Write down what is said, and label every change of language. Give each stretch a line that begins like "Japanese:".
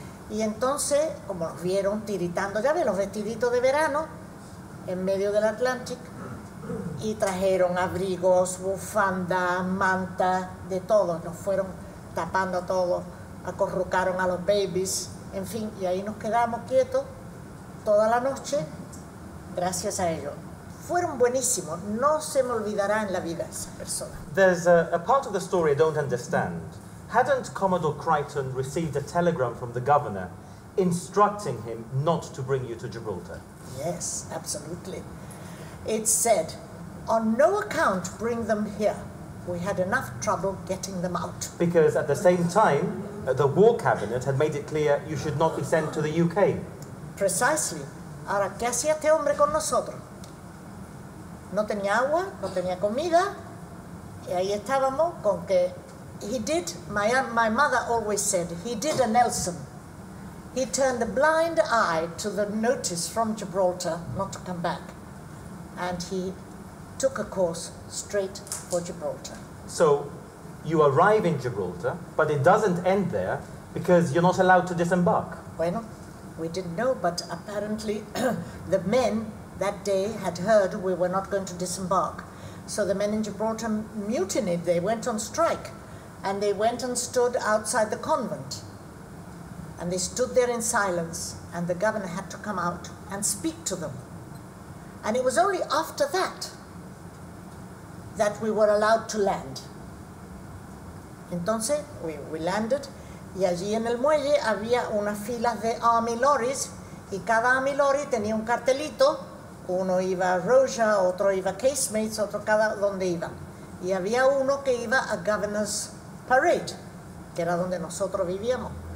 Spanish: Y entonces, como nos vieron tiritando, ya ves, los vestiditos de verano en medio del Atlantic, y trajeron abrigos, bufandas, mantas, de todo. Nos fueron tapando a todos, acorrucaron a los babies, en fin. Y ahí nos quedamos quietos toda la noche gracias a ellos. Fueron buenísimos. No se me olvidará en la vida esa persona.
English: There's a part of the story I don't understand. Hadn't Commodore Crichton received a telegram from the governor instructing him not to bring you to Gibraltar? Yes, absolutely. It said, on no account bring them here. We had enough trouble getting them out. Because at the same time, the war cabinet had made it clear you should not be sent to the UK. Precisely.
Spanish: Ahora, ¿qué hacía este hombre con nosotros? No tenía agua, no tenía comida, Y ahí estábamos con que
English: he did, my mother always said, he did a Nelson. He turned a blind eye to the notice from Gibraltar not to come back. And he took a course straight for Gibraltar. So you arrive in Gibraltar, but it doesn't end there because you're not allowed to disembark. Bueno, we didn't know, but apparently the men that day had heard we were not going to disembark. So the men in Gibraltar mutinied. They went on strike. And they went and stood outside the convent. And they stood there in silence, and the governor had to come out and speak to them. And it was only after that that we were allowed to land.
Spanish: Entonces,
English: we landed,
Spanish: y allí en el muelle había unas filas de army lorries, y cada army lorry tenía un cartelito. Uno iba a Roja, otro iba a Casemates, otro cada donde iba. Y había uno que iba a Governor's Parade, que era donde nosotros vivíamos.